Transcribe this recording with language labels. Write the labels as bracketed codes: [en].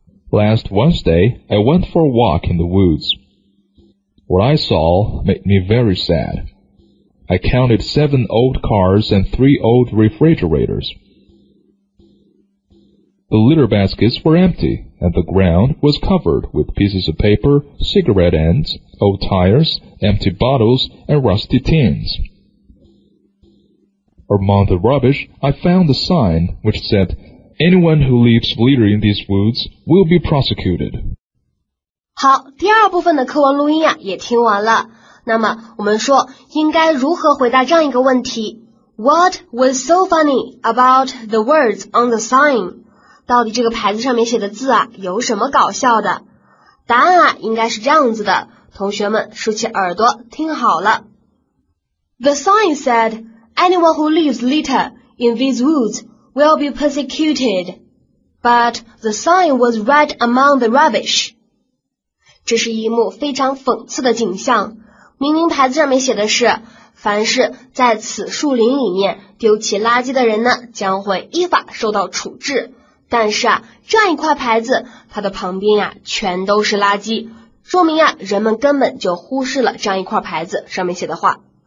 [en] Last Wednesday, I went for a walk in the woods. What I saw made me very sad. I counted 7 old cars and 3 old refrigerators. The litter baskets were empty, and the ground was covered with pieces of paper, cigarette ends, old tires, empty bottles, and rusty tins. Among the rubbish, I found a sign which said, Anyone who leaves litter in these woods will be prosecuted. [zh] 好，第二部分的课文录音啊也听完了。那么我们说应该如何回答这样一个问题 ？ [en] What was so funny about the words on the sign？ [zh] 到底这个牌子上面写的字啊有什么搞笑的？答案啊应该是这样子的，同学们竖起耳朵听好了。 [en] The sign said, "Anyone who leaves litter in these woods will be persecuted." But the sign was right among the rubbish. [zh] 这是一幕非常讽刺的景象，明明牌子上面写的是凡是在此树林里面丢弃垃圾的人呢将会依法受到处置，但是啊这样一块牌子它的旁边啊全都是垃圾，说明啊人们根本就忽视了这样一块牌子上面写的话。